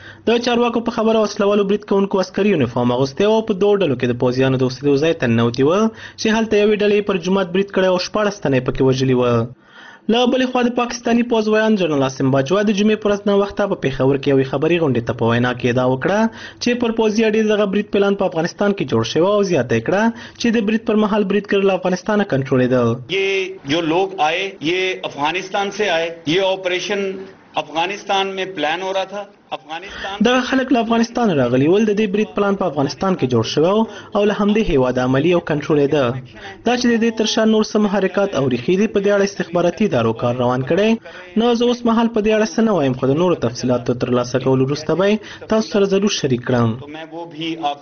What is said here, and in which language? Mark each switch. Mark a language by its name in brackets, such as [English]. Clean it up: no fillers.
[Pashto] د چارواکو په خبره وسلوالو برید کوونکو عسکري یونیفارم اغوستی او په دوو ډلو کې د پوځیانو د اوسېدو ځای ته ننوتي وه چې هلته یوې ډلې پر جومات برید کړی او شپاړس تنه یې پکې وژلي وه. له بلې خوا د پاکستاني پوځ ویان جنرال عاصم باجوا د جمعې پر ورځ ناوخته په پېښور کې یوې خبري غونډې ته په وینا کې ادعا وکړه چې پر پوځي اډې دغه برید پلان په افغانستان کې جوړ شوی او زیاته یې کړه چې د برید پر مهال برید کړل افغانستانه کنټرولېدل. [Urdu] یہ جو لوگ آئے یہ افغانستان سے آئے، یہ آپریشن افغانستان میں پلان ہو رہا تھا. [Pashto] د خلک له افغانستان راغلی ول د دې بریټ پلان په افغانستان کې جوړ شو او له همدې هیواد عملی او کنټرول ده. دا چې د دې ترشا نور سم حرکت او ریخي په دې اړه استخباراتي دارو کار روان کړي، نو زه اوس مهال په دې اړه څه نه وایم خو د نورو تفصيلات ته تر لاسه کول وروسته به تاسو سره ضرور شریک کړم.